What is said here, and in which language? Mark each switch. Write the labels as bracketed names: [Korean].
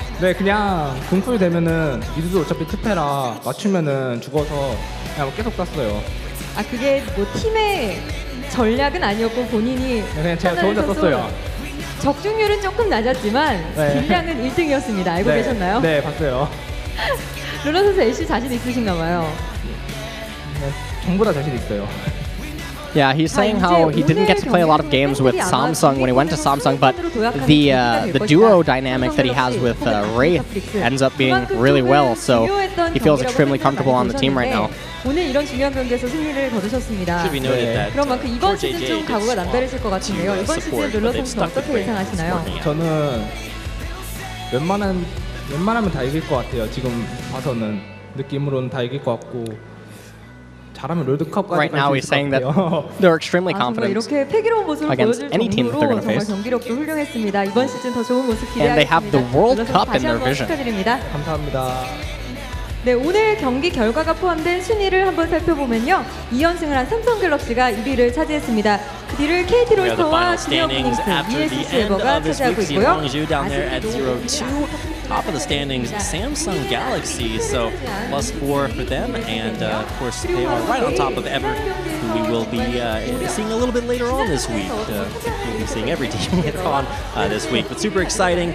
[Korean] 네, 그냥 궁풀 되면은 미드도 어차피 트패라 맞추면은 죽어서 그냥 계속 땄어요. 아, 그게 뭐 팀의 전략은 아니었고 본인이 네, 그냥 제가 저 혼자 썼어요. 적중률은 조금 낮았지만 딜량은 네. 1등이었습니다. 알고 네. 계셨나요? 네, 봤어요. 룰러 선수 애쉬 자신 있으신가 봐요. 네, 전부 다 자신 있어요. [English] Yeah, he's saying how he didn't get to play a lot of games with Samsung when he went to Samsung, but the duo dynamic that he has with Wraith ends up being really well, so he feels extremely comfortable on the team right now. Should be noted that George AJ just swapped to support, but they've stuck with Wraith. [Korean] 저는 웬만하면 다 이길 것 같아요, 지금 봐서는. 느낌으로는 다 이길 것 같고. [English] Right now he's saying that they're extremely confident against any team that they're going to face. And they have the World Cup in their vision. [Korean] 감사합니다. 네, 오늘 경기 결과가 포함된 순위를 한번 살펴보면요. 2연승을 한 삼성 갤럭시가 1위를 차지했습니다. 그 뒤를 KT 로이터와 주니어 피닉스, ESG 에버가 차지하고 있고요. [English] 아직도 top of the standings, Samsung Galaxy, so plus four for them, and of course they are right on top of Ever, who we will be seeing a little bit later on this week. We'll be seeing every team later on this week, but super exciting.